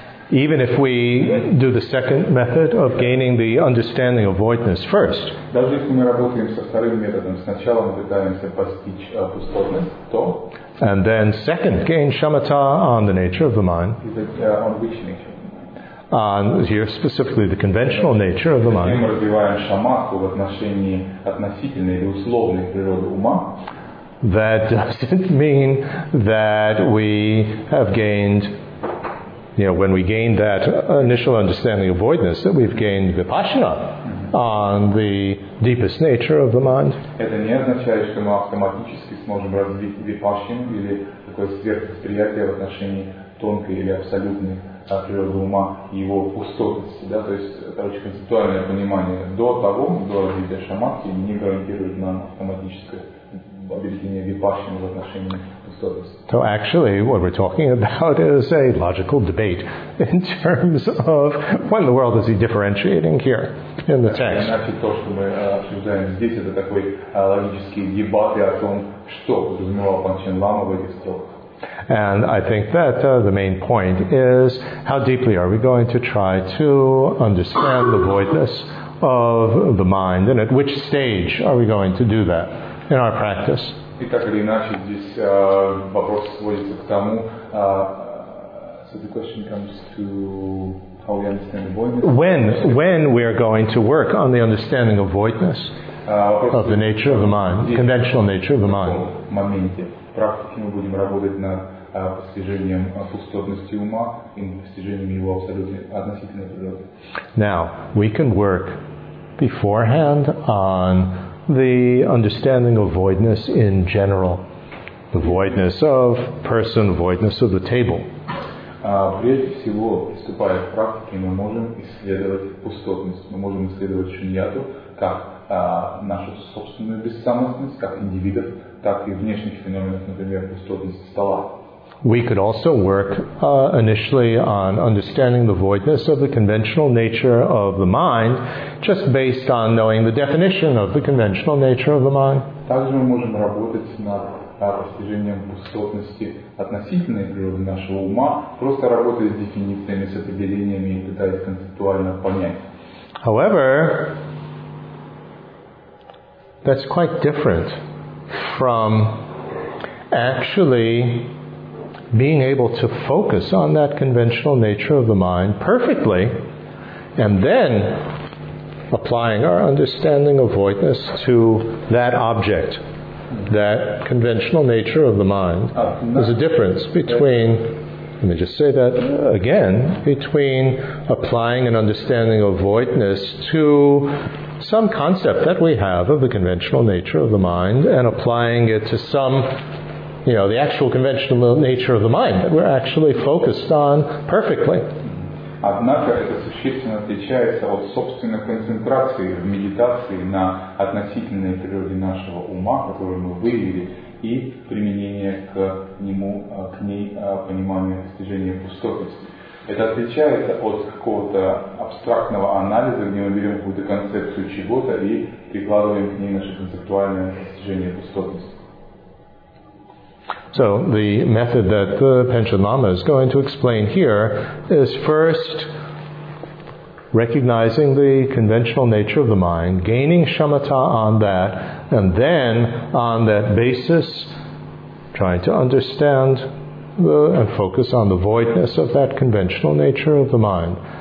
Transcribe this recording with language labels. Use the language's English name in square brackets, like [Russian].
[English] Even if we do the second method of gaining the understanding of voidness first, [Russian] даже если мы работаем со вторым методом, сначала мы пытаемся постичь пустотность, то [English] and then second, gain shamatha on the nature of the mind. On which nature? on here specifically the conventional nature of the mind. [Russian] Мы развиваем шамату в отношении относительной или условной природы ума. [English] That doesn't mean that we have gained, you know, when we gain that initial understanding of voidness, that we've gained vipassana on the deepest nature of the mind. [Russian] Это не означает, что мы автоматически сможем развить випассану или такое сверхвосприятие в отношении тонкой или абсолютной природы ума и его пустотности. Да? То есть, короче, концептуальное понимание до того, до развития шаматхи, не гарантирует нам автоматическое обретение випассаны в отношении. [English] So actually, what we're talking about is a logical debate in terms of what in the world is he differentiating here in the text. [Russian] Значит, то, что мы обсуждаем здесь, это такой логический дебат о том, что подразумевал Панчен Лама в этих строках. [English] And I think that the main point is how deeply are we going to try to understand the voidness of the mind, and at which stage are we going to do that in our practice? [Russian] И так или иначе, здесь вопрос сводится к тому, [English] so the question comes to how we understand the voidness. When we are going to work on the understanding of voidness, of the nature of the mind, conventional nature of the mind. [Russian] В каком моменте практики мы будем работать над постижением пустотности ума и постижением его абсолютной относительной природы. [English] Now, we can work beforehand on the understanding of voidness in general, the voidness of person, voidness of the table. [Russian] Прежде всего, приступая к практике, мы можем исследовать пустотность, мы можем исследовать шуньяту как нашу собственную бессамостность, как индивидов, так и внешних феноменов, например, пустотность стола. [English] We could also work initially on understanding the voidness of the conventional nature of the mind, just based on knowing the definition of the conventional nature of the mind. [Russian] Также мы можем работать над постижением пустотности относительной природы нашего ума, просто работая с дефинициями, с определениями и пытаясь концептуально понять. [English] However, that's quite different from actually being able to focus on that conventional nature of the mind perfectly and then applying our understanding of voidness to that object, that conventional nature of the mind. There's a difference between, let me just say that again, between applying an understanding of voidness to some concept that we have of the conventional nature of the mind and applying it to some, you know, the actual conventional nature of the mind that we're actually focused on perfectly. [Russian] Однако это существенно отличается от собственной концентрации в медитации на относительной природе нашего ума, которую мы выявили, и применение к нему, к ней понимания достижения пустотности. Это отличается от какого-то абстрактного анализа, где мы берем какую-то концепцию чего-то и прикладываем к ней наше концептуальное достижение пустотности. [English] So the method that the Panchen Lama is going to explain here is first recognizing the conventional nature of the mind, gaining shamatha on that, and then on that basis trying to understand and focus on the voidness of that conventional nature of the mind.